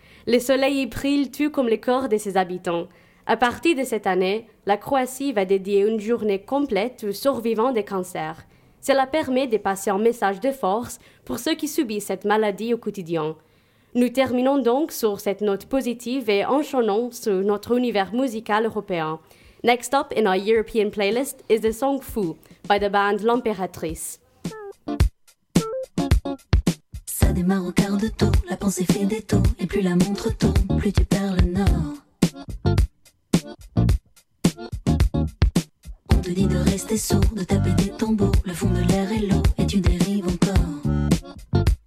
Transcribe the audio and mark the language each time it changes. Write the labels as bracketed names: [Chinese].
[French] Le soleil y brille tout comme le corps de ses habitants. À partir de cette année, la Croatie va dédier une journée complète aux survivants des cancers. Cela permet de passer un message de force pour ceux qui subissent cette maladie au quotidien. Nous terminons donc sur cette note positive et enchaînons sur notre univers musical européen. [English] Next up in our European playlist is the song Fou by the band L'Impératrice. [French] Ça démarre au quart de tour, la pensée fait des tours, et plus la montre tourne, plus tu perds le nord. On te dit de rester sourd, de taper des tambours, le fond de l'air est lourd, et tu dérives encore.